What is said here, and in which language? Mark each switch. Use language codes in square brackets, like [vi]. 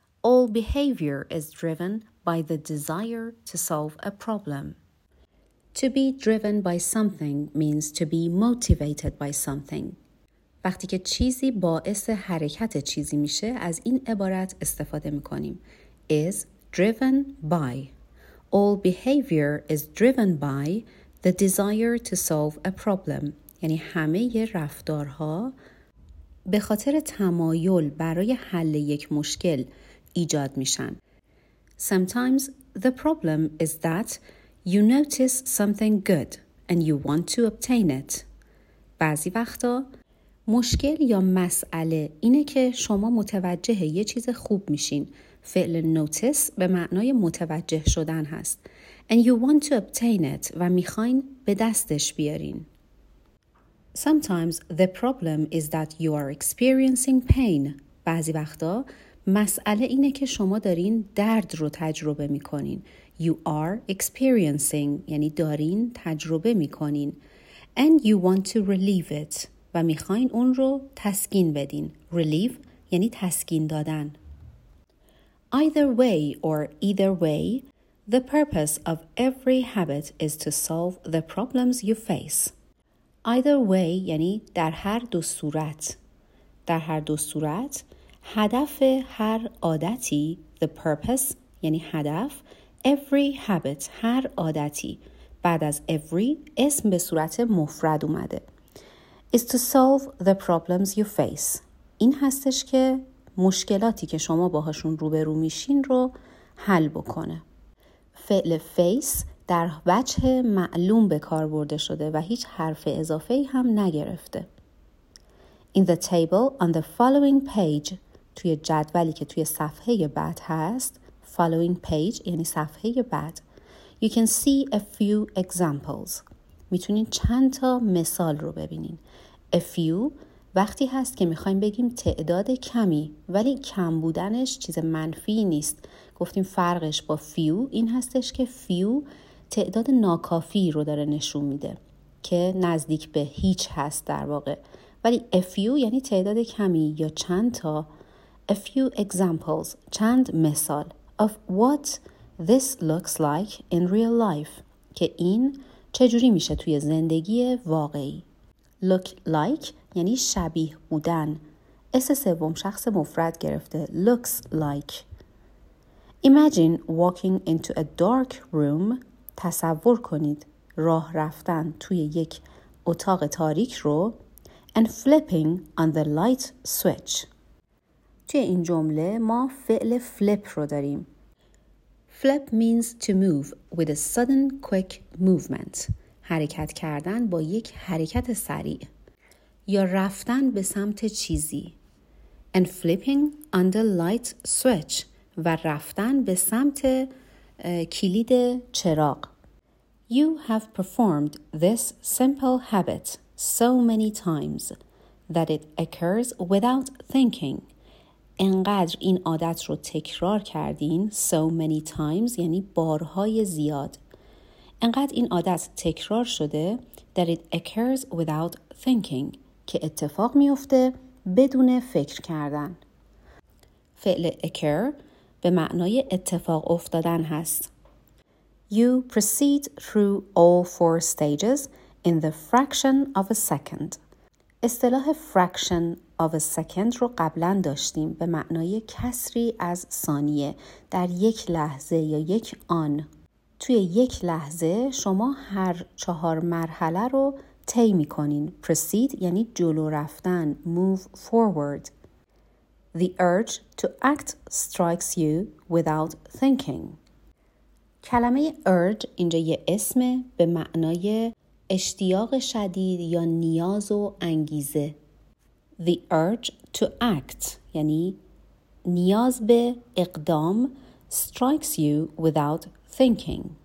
[en] All behavior is driven by the desire to solve a problem. To be driven by something means to be motivated by something. [fa] وقتی که چیزی باعث حرکت چیزی میشه از این عبارت استفاده میکنیم. [en] Is driven by. All behavior is driven by the desire to solve a problem. [fa] یعنی همه ی رفتارها به خاطر تمایل برای حل یک مشکل ایجاد میشن. [en] Sometimes the problem is that you notice something good and you want to obtain it. [fa] بعضی وقتا مشکل یا مسئله اینه که شما متوجه یه چیز خوب میشین. فعل notice به معنای متوجه شدن هست. [en] And you want to obtain it [fa] و میخواین به دستش بیارین. [en] Sometimes the problem is that you are experiencing pain. [fa] بعضی وقتا مسئله اینه که شما دارین درد رو تجربه میکنین. [en] You are experiencing [fa] یعنی دارین تجربه میکنین. [en] And you want to relieve it. [fa] و میخواین اون رو تسکین بدین. [en] Relieve [fa] یعنی تسکین دادن. [en] Either way or either way, the purpose of every habit is to solve the problems you face. Either way [fa] یعنی در هر دو صورت. در هر دو صورت هدف هر عادتی [en] the purpose [fa] یعنی هدف [en] every habit [fa] هر عادتی بعد از every اسم به صورت مفرد اومده [en] is to solve the problems you face. [fa] این هستش که مشکلاتی که شما باهاشون روبرو میشین رو حل بکنه. فعل face در وجه معلوم به کار برده شده و هیچ حرف اضافه ای هم نگرفته. [en] In the table on the following page [fa] توی جدولی که توی صفحه بعد هست following page یعنی صفحه بعد [en] you can see a few examples [fa] میتونین چند تا مثال رو ببینین. A few وقتی هست که میخوایم بگیم تعداد کمی ولی کم بودنش چیز منفی نیست. گفتیم فرقش با few این هستش که few تعداد ناکافی رو داره نشون میده که نزدیک به هیچ هست در واقع، ولی a few یعنی تعداد کمی یا چند تا. [en] A few examples [fa] چند مثال [en] of what this looks like in real life [fa] که این چجوری میشه توی زندگی واقعی. [en] Look like [fa] یعنی شبیه بودن، اس سوم شخص مفرد گرفته [en] looks like. Imagine walking into a dark room. [fa] تصور کنید راه رفتن توی یک اتاق تاریک رو. [en] And flipping on the light switch. [fa] توی این جمله ما فعل flip رو داریم. [en] Flip means to move with a sudden quick movement. [fa] حرکت کردن با یک حرکت سریع. یا رفتن به سمت چیزی. [en] And flipping on the light switch. [fa] و رفتن به سمت کلید چراغ. [en] You have performed this simple habit so many times that it occurs without thinking. [fa] انقدر این عادت رو تکرار کردین [en] so many times [fa] یعنی بارهای زیاد. انقدر این عادت تکرار شده [en] that it occurs without thinking [fa] که اتفاق میفته بدون فکر کردن. فعل occur به معنای اتفاق افتادن هست. [en] You proceed through all four stages in the fraction of a second. [fa] اصطلاح [en] fraction of a second [fa] رو قبلا داشتیم به معنای کسری از ثانیه در یک لحظه یا یک آن. توی یک لحظه شما هر چهار مرحله رو طی می‌کنین. Proceed یعنی جلو رفتن, [en] move forward. The urge to act strikes you without thinking. [fa] کلمه urge اینجا یه اسم به معنای اشتیاق شدید یا نیاز و انگیزه. [en] The urge to act [fa] یعنی نیاز به اقدام [en] strikes you without thinking.